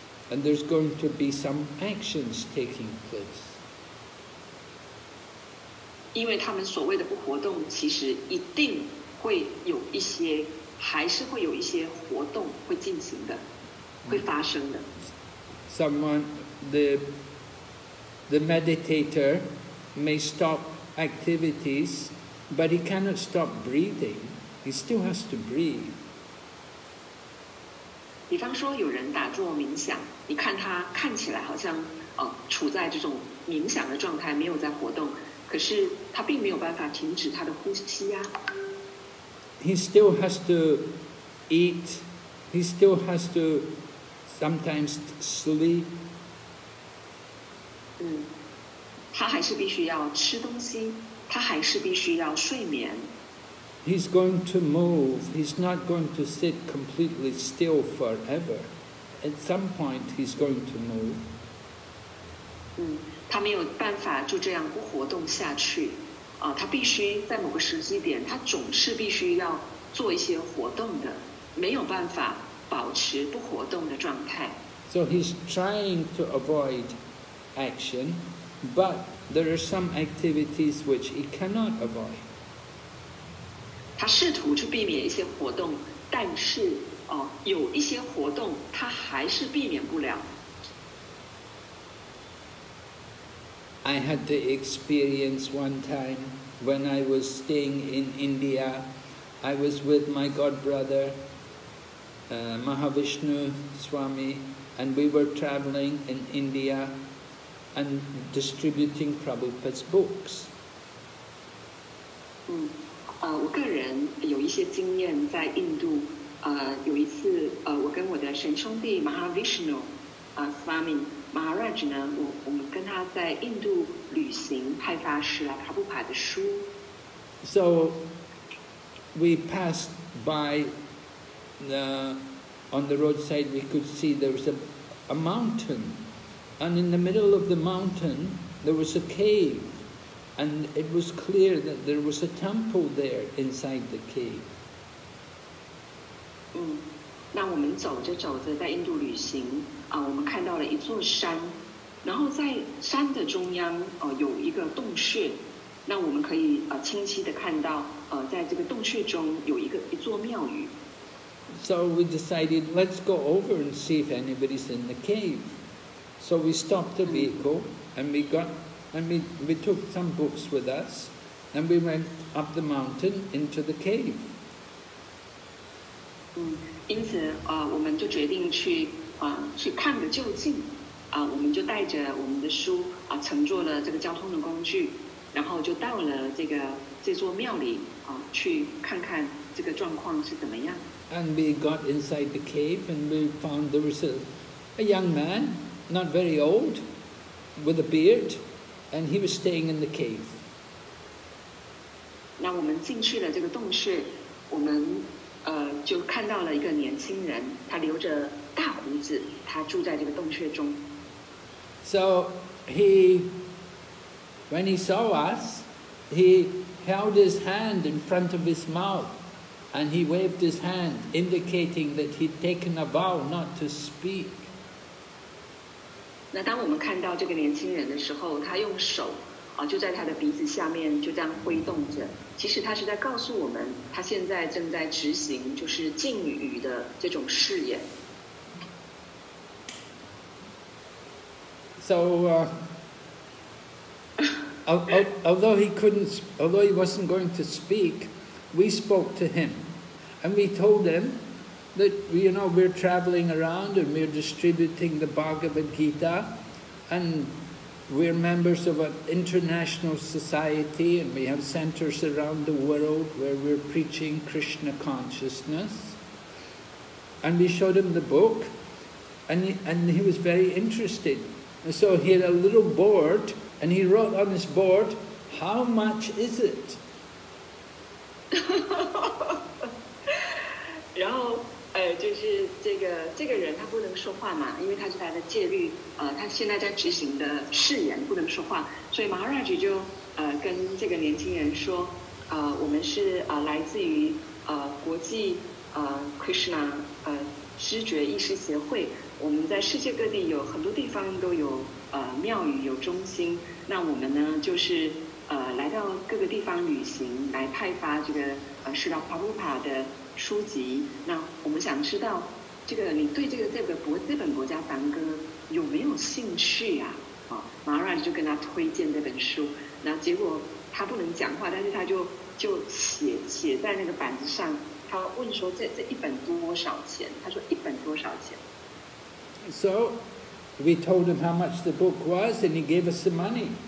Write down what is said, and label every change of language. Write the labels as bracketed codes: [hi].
[en] And there's going to be some actions taking place. [zh] 因为他们所谓的不活动，其实一定会有一些，还是会有一些活动会进行的，会发生的。 [en] Someone, the meditator may stop activities, but he cannot stop breathing. He still has to breathe. [zh] 比方说有人打坐冥想，你看他看起来好像处在这种冥想的状态，没有在活动，可是他并没有办法停止他的呼吸啊。 [en] He still has to eat, he still has to sometimes sleep. [zh] 他还是必须要吃东西，他还是必须要睡眠。 [en] He's going to move. He's not going to sit completely still forever. At some point, he's going to move. [zh] 他没有办法就这样不活动下去。他必须在某个时机点，他总是必须要做一些活动的，没有办法保持不活动的状态。 [en] So he's trying to avoid action, but there are some activities which he cannot avoid. [zh] 他试图去避免一些活动，但是有一些活动他还是避免不了。 [en] I had the experience one time when I was staying in India. I was with my godbrother, Mahavishnu Swami, and we were traveling in India and distributing Prabhupada's books. [zh] 我个人有一些经验在印度。有一次，我跟我的神兄弟 Mahavishnu Swami Maharaj 呢，我们跟他在印度旅行，派发师来帕布帕的书。 [en] So we passed by the on the roadside. We could see there was a mountain, and in the middle of the mountain there was a cave. And it was clear that there was a temple there inside the cave. [zh] 那我们走着走着在印度旅行，我们看到了一座山，然后在山的中央，有一个洞穴。那我们可以清晰的看到，在这个洞穴中有一座庙宇。 [en] So we decided, let's go over and see if anybody's in the cave. So we stopped the vehicle and we took some books with us, and we went up the mountain into the cave. [zh] 因此，我们就决定去看个究竟。我们就带着我们的书乘坐了这个交通的工具，然后就到了这座庙里去看看这个状况是怎么样。 [en] And we got inside the cave, and we found there was a young man, not very old, with a beard. And he was staying in the cave. [zh] 那我们进去了这个洞穴，我们就看到了一个年轻人，他留着大胡子，他住在这个洞穴中。 [en] So he, when he saw us, he held his hand in front of his mouth, and he waved his hand, indicating that he'd taken a vow not to speak. [zh] 那当我们看到这个年轻人的时候，他用手就在他的鼻子下面就这样挥动着，其实他是在告诉我们他现在正在执行就是禁语的这种誓言。 [en] So although he wasn't going to speak, we spoke to him and we told himThat, you know, we're traveling around and we're distributing the Bhagavad Gita and we're members of an international society and we have centers around the world where we're preaching Krishna consciousness. And we showed him the book and he was very interested. And so he had a little board and he wrote on his board, how much is it? [zh] 然后就是这个人他不能说话嘛，因为他是他的戒律，他现在在执行的誓言不能说话，所以 Maharaj 就跟这个年轻人说，我们是来自于国际Krishna 知觉意识协会，我们在世界各地有很多地方都有庙宇有中心，那我们呢就是来到各个地方旅行，来派发这个释迦牟尼的书籍。那我们想知道，这个你对这个这本《国家梵歌》有没有兴趣呀？啊，马拉就跟他推荐这本书，那结果他不能讲话，但是他就写在那个板子上。他问说这一本多少钱？他说一本多少钱 [en] ？So we told him how much the book was, and he gave us some money.